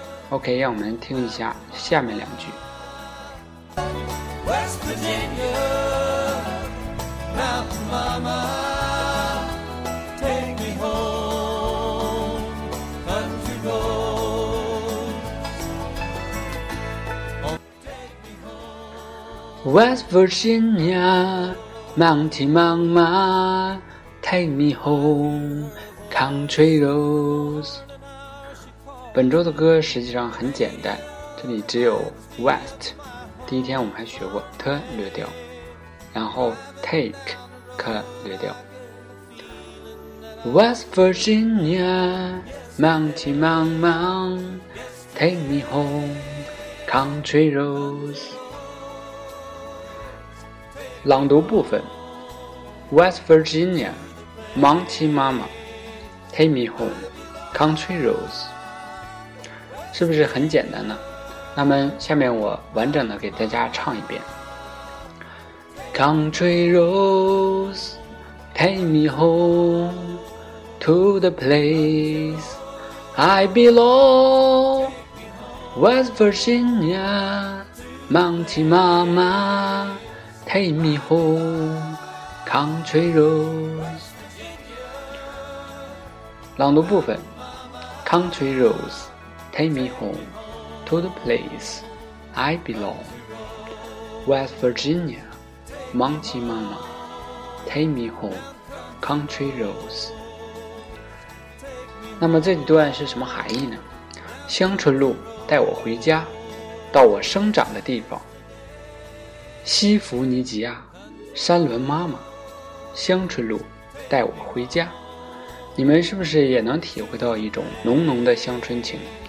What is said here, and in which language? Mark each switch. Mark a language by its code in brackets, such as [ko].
[zh] OK, 让我们听一下下面两句。 [en] West Virginia, Mountain Mama, take me home, country road, take me home. West Virginia, Mountain Mama, take me home, country road. [zh] 本周的歌实际上很简单，这里只有 West， 第一天我们还学过 T 略掉，然后 Take K 略掉。 [en] West Virginia, Mountain Mama, Take me home, Country Roads。朗读部分。 West Virginia, Mountain Mama, Take me home, Country Roads。 [zh] 是不是很简单呢？那么下面我完整的给大家唱一遍。 [en] Country roads, take me home to the place I belong. West Virginia, Mountain Mama, take me home, Country roads。 [zh] 朗读部分。 [en] Country roadsTake me home to the place I belong. West Virginia, Mountain Mama, take me home, Country Roads. [zh] 那么这段是什么含义呢？乡村路带我回家，到我生长的地方。西弗尼吉亚，山峦妈妈，乡村路带我回家。你们是不是也能体会到一种浓浓的乡村情？